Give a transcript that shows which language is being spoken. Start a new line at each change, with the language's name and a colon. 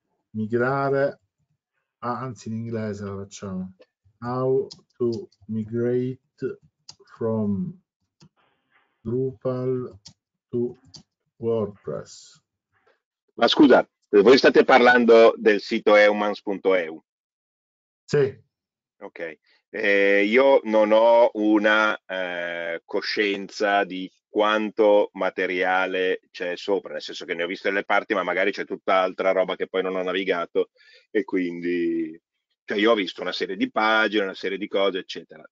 Italian: Migrare, anzi in inglese la facciamo.
English: How to migrate from Drupal to WordPress.
Italian: Ma scusa, voi state parlando del sito eumans.eu? Ok, io non ho una coscienza di quanto materiale c'è sopra, nel senso che ne ho viste le parti, ma magari c'è tutta altra roba che poi non ho navigato e quindi, cioè io ho visto una serie di pagine, una serie di cose, eccetera.